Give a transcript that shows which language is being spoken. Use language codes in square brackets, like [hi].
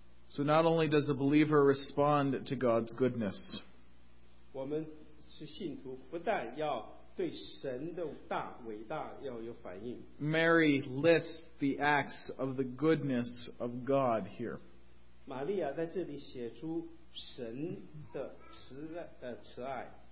[en] So not only does a believer respond to God's goodness, [zh] 我们是信徒，不但要 对神的大伟大要有反应。 [en] Mary lists the acts of the goodness of God here. [zh] 玛利亚在这里写出神的慈爱。